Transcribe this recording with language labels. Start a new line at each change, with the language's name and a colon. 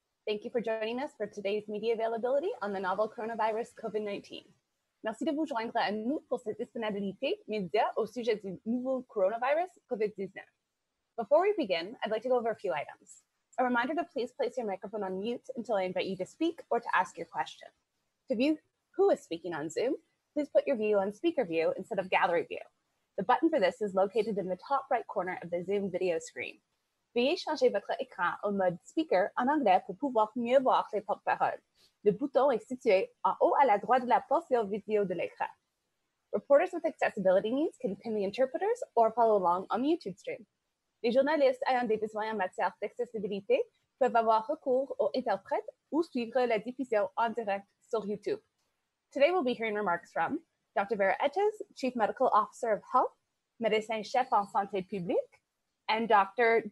English: Thank you for joining us for today's media availability on the novel coronavirus COVID-19.
French: Merci de vous joindre à nous pour cette disponibilité média au sujet du nouveau coronavirus COVID-19.
English: Before we begin, I'd like to go over a few items. A reminder to please place your microphone on mute until I invite you to speak or to ask your question. To view who is speaking on Zoom, please put your view on speaker view instead of gallery view. The button for this is located in the top right corner of the Zoom video screen.
French: Veuillez changer votre écran au mode speaker en anglais pour pouvoir mieux voir les porte-paroles. Le bouton est situé en haut à la droite de la portion vidéo de l'écran.
English: Reporters with accessibility needs can ping the interpreters or follow along on the YouTube stream.
French: Les journalistes ayant des besoins en matière d'accessibilité peuvent avoir recours aux interprètes ou suivre la diffusion en direct sur YouTube.
English: Today we'll be hearing remarks from Dr. Vera Etes, Chief Medical Officer of Health,
French: Médecin Chef en Santé Publique,
English: and Dr.